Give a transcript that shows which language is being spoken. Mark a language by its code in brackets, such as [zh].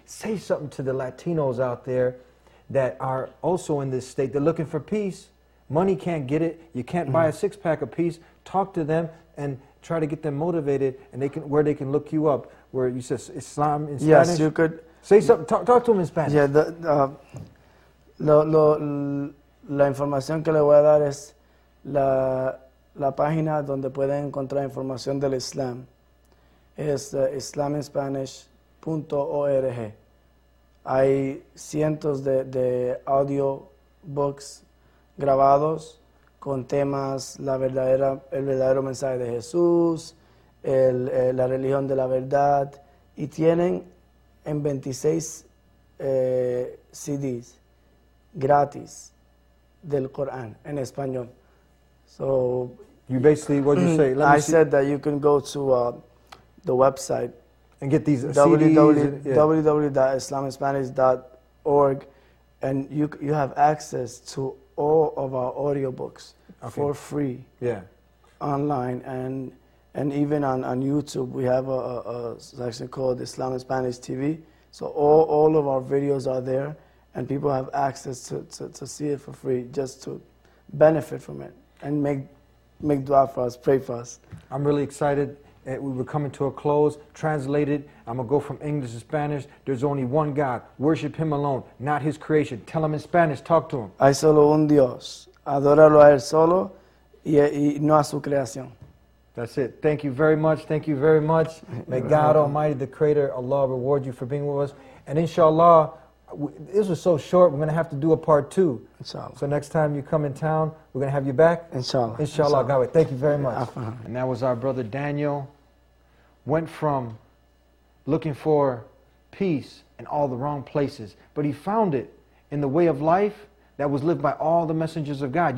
[en] Say something to the Latinos out there that are also in this state. They're looking for peace. Money can't get it. You can't mm-hmm. buy a six-pack of peace. Talk to them and try to get them motivated, and they can look you up. Where you said Islam in Spanish? Yes, you could. Say something, talk to them in Spanish. Yeah, the [es] La información que le voy a dar es la página donde pueden encontrar información del Islam. Es islaminspanish.org. Hay cientos de audio books grabados con temas, el verdadero mensaje de Jesús, la religión de la verdad, y tienen en 26 CDs gratis del Corán en español. [en] So you basically, what did you say? Let me see. Said that you can go to the website and get these www.islaminspanish.org, and you have access to all of our audiobooks for free. Yeah, online and even on YouTube, we have a section called Islam and Spanish TV. So all of our videos are there, and people have access to see it for free, just to benefit from it and make dua for us, pray for us. I'm really excited. We're coming to a close. Translated, I'm going to go from English to Spanish. There's only one God. Worship Him alone, not His creation. Tell Him in Spanish. Talk to Him. [es] Hay solo un Dios. Adóralo a Él solo y no a su creación. [en] That's it. Thank you very much. Thank you very much. May God Almighty, the Creator, Allah, reward you for being with us. And inshallah, this was so short, we're going to have to do a part two. Inshallah. So next time you come in town, we're going to have you back. Inshallah. Inshallah. God, thank you very much. And that was our brother Daniel. Went from looking for peace in all the wrong places, but he found it in the way of life that was lived by all the messengers of God.